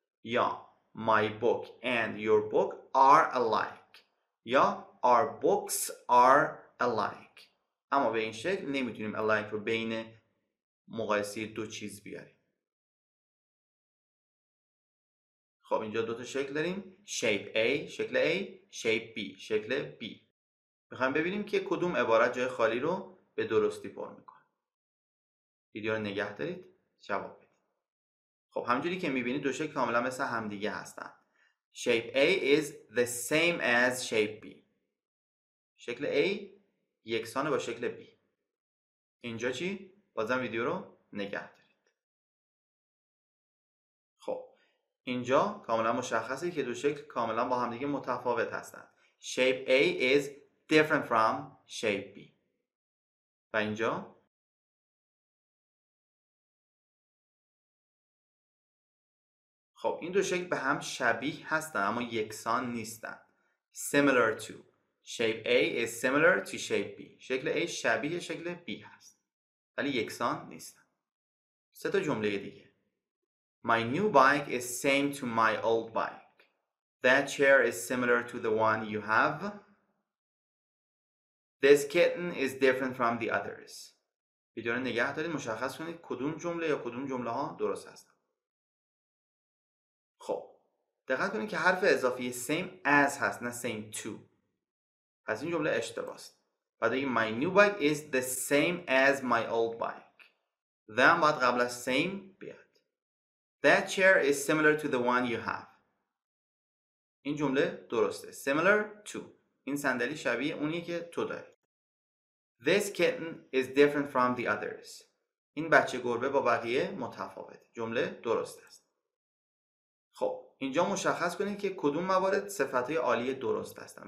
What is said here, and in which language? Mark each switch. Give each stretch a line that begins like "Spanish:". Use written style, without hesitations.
Persian: یا
English: My book and your book are alike.
Persian: یا
English: Our books are alike.
Persian: اما به این شکل نمیتونیم alike رو بین مقایسه دو چیز بیاریم. خب اینجا دو تا شکل داریم. Shape A، شکل A. Shape B، شکل B. میخوایم ببینیم که کدوم عبارت جای خالی رو به درستی پر میکنه. ویدیو رو نگه دارید، جواب بدید. خب همجوری که میبینید دو شکل کاملا مثل همدیگه هستن.
English: Shape A is the same as shape B.
Persian: شکل A یکسانه با شکل B. اینجا چی؟ بازم ویدیو رو نگه دارید. خب اینجا کاملا مشخصه که دو شکل کاملا با همدیگه متفاوت هستن.
English: Shape A is different from shape B.
Persian: و اینجا خب این دو شکل به هم شبیه هستن اما یکسان نیستن.
English: similar to shape A is similar to shape B.
Persian: شکل A شبیه شکل B هست ولی یکسان نیستن. سه تا جمله دیگه.
English: My new bike is same to my old bike. That chair is similar to the one you have. This kitten is different from the others.
Persian: ویدیو رو نگه دارید، مشخص کنید کدوم جمله یا کدوم جمله ها درست هستن. خب دقت کنید که حرف اضافی same as هست نه same to. پس این جمله اشتباه است. بعد بگید
English: my new bike is the same as my old bike.
Persian: then باید قبل از same بیاد.
English: that chair is similar to the one you have.
Persian: این جمله درسته. similar to. این صندلی شبیه اونیه که تو داری.
English: This kitten is different from the others.
Persian: این بچه گربه با بقیه متفاوته. جمله درست است. خب اینجا مشخص کنید که کدوم موارد صفت های عالی درست هستن.